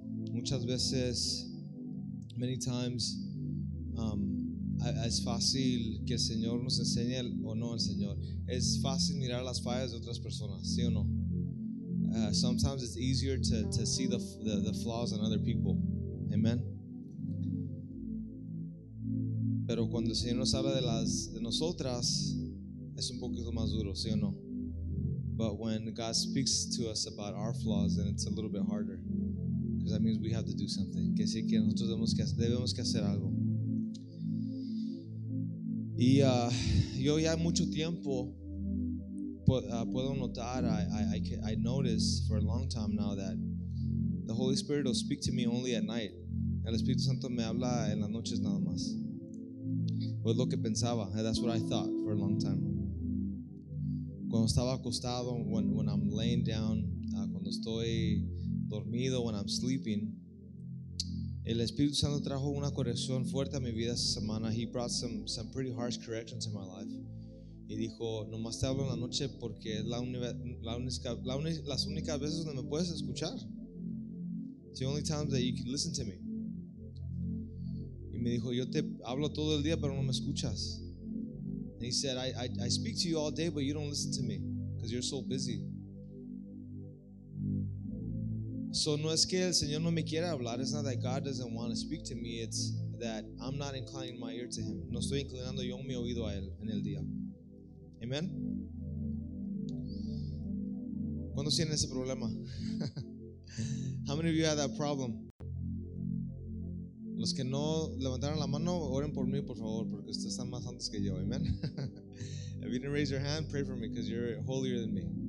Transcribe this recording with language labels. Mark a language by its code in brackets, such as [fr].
[es] Muchas veces, [en] many times, [es] es fácil que el Señor nos enseñe o no el Señor. Es fácil mirar las fallas de otras personas, ¿sí o no? [en] Sometimes it's easier to see the flaws in other people. Amen. [es] Pero cuando el Señor nos habla de nosotras, es un poquito más duro, ¿sí o no? [en] But when God speaks to us about our flaws, then it's a little bit harder. That means we have to do something. [es] Que sí, que nosotros debemos que hacer algo. Y yo ya mucho tiempo puedo notar, [en] I noticed for a long time now that the Holy Spirit will speak to me only at night. [es] El Espíritu Santo me habla en las noches nada más. Pues lo que pensaba, [en] that's what I thought for a long time. [es] Cuando estaba acostado, [en] when I'm laying down, [es] cuando estoy dormido, [en] when I'm sleeping, [es] el Espíritu Santo trajo una corrección fuerte a mi vida esta semana. [en] He brought some pretty harsh corrections in my life. [es] Y dijo, nomás te hablo en la noche porque es las únicas veces donde me puedes escuchar. [en] It's the only time that you can listen to me. [es] Y me dijo, yo te hablo todo el día, pero no me escuchas. [en] And he said, I speak to you all day, but you don't listen to me because you're so busy. [es] So no es que el Señor no me quiera hablar. [en] It's not that God doesn't want to speak to me. It's that I'm not inclining my ear to Him. [es] No estoy inclinando yo mi oído a Él en el día. Amen. ¿Cuántos tienen ese problema? [en] How many of you have that problem? [es] Los que no levantaron la mano, oren por mí, por favor, porque ustedes están más santos que yo. Amen. [en] If you didn't raise your hand, pray for me because you're holier than me.